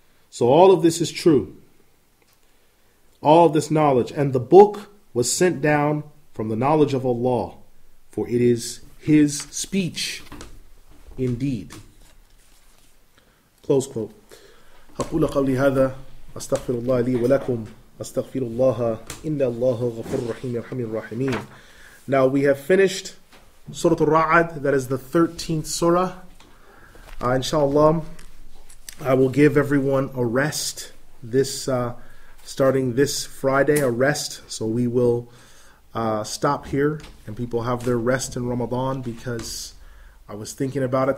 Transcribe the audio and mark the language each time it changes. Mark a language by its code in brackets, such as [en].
[en] So all of this is true. All of this knowledge. And the book was sent down from the knowledge of Allah, for it is His speech indeed. Close quote. [ar] أقول قولي هذا أستغفر الله لي ولكم. أستغفر الله إن الله غفور رحيم يرحم الراحمين. [en] Now we have finished Surah Al-Ra'ad, that is the 13th surah. Inshallah, I will give everyone a rest this starting this Friday, a rest. So we will stop here and people have their rest in Ramadan, because I was thinking about it.